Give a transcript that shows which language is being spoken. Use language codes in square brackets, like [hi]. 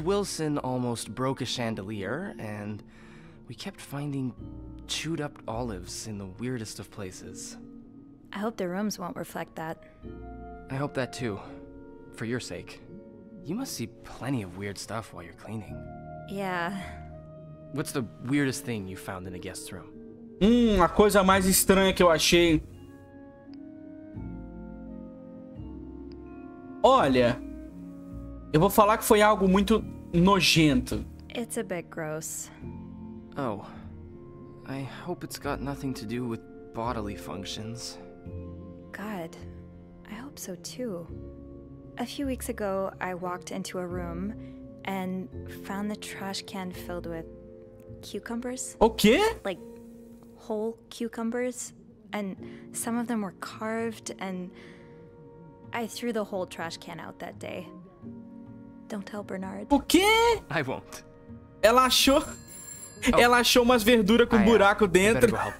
[en] Wilson almost broke a chandelier, and we kept finding chewed up olives in the weirdest of places. I hope the rooms won't reflect that. I hope that too. For your sake. You must see plenty of weird stuff while you're cleaning. Yeah. What's the weirdest thing you found in a guest room? [pt] A coisa mais estranha que eu achei. Olha. Eu vou falar que foi algo muito nojento. [en] It's a bit gross. Oh. I hope it's got nothing to do with bodily functions. God. I hope so too. A few weeks ago, I walked into a room and found the trash can filled with cucumbers. Okay. Like whole cucumbers, and some of them were carved, and I threw the whole trash can out that day. Don't tell Bernard. [pt] O quê? [en] I won't. [pt] Ela achou umas verduras com buraco dentro.